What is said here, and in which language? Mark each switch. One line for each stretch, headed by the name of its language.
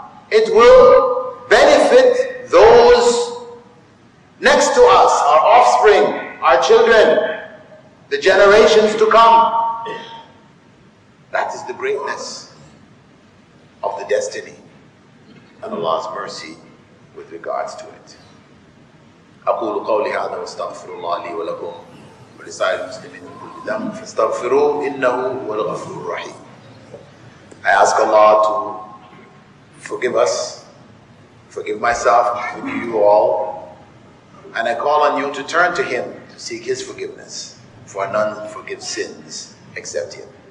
English: It will benefit those next to us, our offspring, our children, the generations to come. That is the greatness of the destiny and Allah's mercy with regards to it.
Arabic: أقول قولي هذا واستغفر الله لي ولكم ولسائر المسلمين من كل ذنب فاستغفروه إنه هو الغفور الرحيم.
English: I ask Allah to forgive us, forgive myself, forgive you all, and I call on you to turn to Him to seek His forgiveness. for none forgive sins except him.